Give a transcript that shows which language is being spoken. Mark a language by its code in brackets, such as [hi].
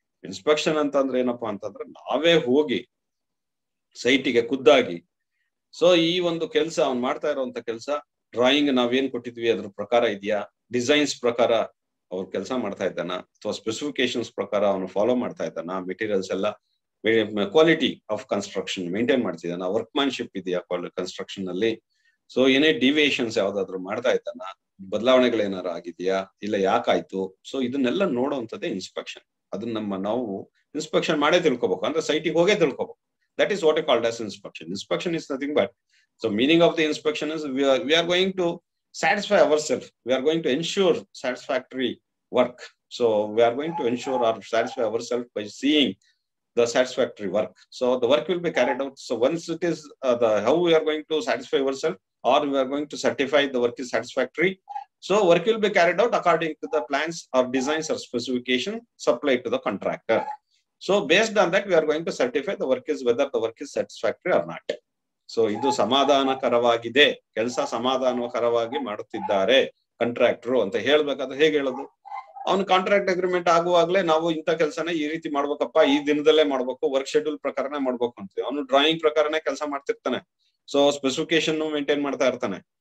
[kn] Inspection ಅಂತಂದ್ರೆ ಏನಪ್ಪಾ ಅಂತಂದ್ರೆ ನಾವೇ ಹೋಗಿ ಸೈಟಿಗೆ ಖುದ್ದಾಗಿ, ಸೊ ಈ ಒಂದು ಕೆಲಸ ಅವ್ನು ಮಾಡ್ತಾ ಇರುವಂತ ಕೆಲಸ ಡ್ರಾಯಿಂಗ್ ನಾವೇನ್ ಕೊಟ್ಟಿದ್ವಿ ಅದ್ರ ಪ್ರಕಾರ ಇದೆಯಾ, ಡಿಸೈನ್ಸ್ ಪ್ರಕಾರ ಅವ್ರು ಕೆಲಸ ಮಾಡ್ತಾ ಇದ್ದಾನ ಅಥವಾ ಸ್ಪೆಸಿಫಿಕೇಶನ್ಸ್ ಪ್ರಕಾರ ಅವನು ಫಾಲೋ ಮಾಡ್ತಾ ಇದ್ದಾನ, ಮೆಟೀರಿಯಲ್ಸ್ ಎಲ್ಲ quality of construction maintain ಮಾಡ್ತಿದ್ದಾನ, workmanship ಇದೆಯಾ ಕನ್ಸ್ಟ್ರಕ್ಷನ್ ಅಲ್ಲಿ, ಸೊ ಏನೇ ಡಿವಿಯೇಷನ್ಸ್ ಯಾವ್ದಾದ್ರು ಮಾಡ್ತಾ ಇದ್ದಾನ, ಬದಲಾವಣೆಗಳು ಏನಾರು ಆಗಿದೆಯಾ ಇಲ್ಲ ಯಾಕಾಯ್ತು, ಸೊ ಇದನ್ನೆಲ್ಲ ನೋಡುವಂತದ್ದೇ ಇನ್ಸ್ಪೆಕ್ಷನ್. ಅದನ್ನ ನಮ್ಮ ನಾವು ಇನ್ಸ್ಪೆಕ್ಷನ್ ಮಾಡೇ ತಿಳ್ಕೋಬೇಕು ಅಂದ್ರೆ ಸೈಟಿಗೆ ಹೋಗೇ ತಿಳ್ಕೋಬೇಕು. [en] That is what we called as inspection. Inspection is nothing but, so meaning of the inspection is we are going to satisfy our self, we are going to ensure satisfactory work. So we are going to ensure or satisfy ourselves by seeing the satisfactory work. So the work will be carried out. So once it is the how we are going to satisfy ourselves, or we are going to certify the work is satisfactory. So work will be carried out according to the plans or designs or specification supplied to the contractor. So based on that, we are going to certify the work is whether the work is satisfactory or not. [kn] So ಇದು ಸಮಾಧಾನ ಕರವಾಗಿದೆ, ಕೆಲಸ ಸಮಾಧಾನಕರವಾಗಿ ಮಾಡುತ್ತಿದ್ದಾರೆ contractor ಅಂತ ಹೇಳ್ಬೇಕಾದ್ರೆ ಹೇಗೆ ಹೇಳೋದು? ಅವನು contract agreement ಆಗುವಾಗಲೇ ನಾವು ಇಂಥ ಕೆಲಸನ ಈ ರೀತಿ ಮಾಡ್ಬೇಕಪ್ಪ, ಈ ದಿನದಲ್ಲೇ ಮಾಡ್ಬೇಕು, ವರ್ಕ್ ಶೆಡ್ಯೂಲ್ ಪ್ರಕಾರನೇ ಮಾಡ್ಬೇಕು ಅಂತೀವಿ. ಅವನು ಡ್ರಾಯಿಂಗ್ ಪ್ರಕಾರನೇ ಕೆಲಸ ಮಾಡ್ತಿರ್ತಾನೆ, ಸೊ ಸ್ಪೆಸಿಫಿಕೇಶನ್ ಮೇಂಟೈನ್ ಮಾಡ್ತಾ ಇರ್ತಾನೆ.